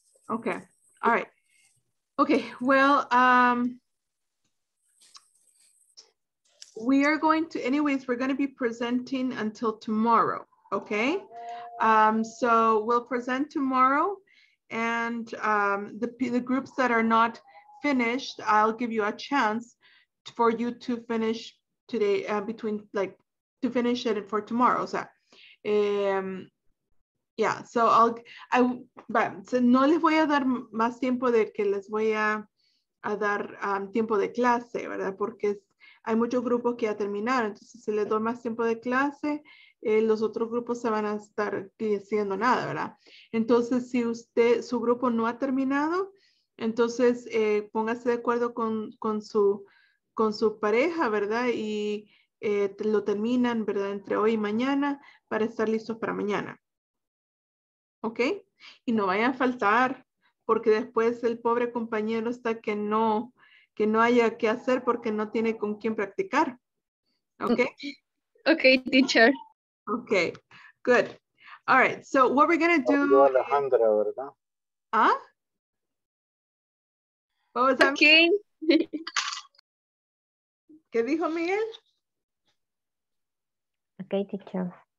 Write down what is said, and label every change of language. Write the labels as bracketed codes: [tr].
[en] Okay. All right. Okay. Well, we are going to, anyways, we're going to be presenting until tomorrow. Okay. So we'll present tomorrow, and the groups that are not finished, I'll give you a chance for you to finish today, between, like, to finish it for tomorrow. [es] So, yeah, so no les voy a dar más tiempo de que les voy a dar tiempo de clase, ¿verdad? Porque hay muchos grupos que ya terminaron, entonces si les doy más tiempo de clase, los otros grupos se van a estar diciendo nada, ¿verdad? Entonces, si usted, su grupo no ha terminado, entonces póngase de acuerdo con su pareja, ¿verdad? Y lo terminan, ¿verdad? Entre hoy y mañana, para estar listos para mañana. Ok, y no vayan a faltar, porque después el pobre compañero está que no haya qué hacer porque no tiene con quién practicar. [en] Ok. Ok, teacher. Ok, good. All right, so what we're going to do. [es] Alejandra, ¿verdad? ¿Ah? [en] What was that? Okay. [es] ¿Qué dijo Miguel? [en] Ok, teacher.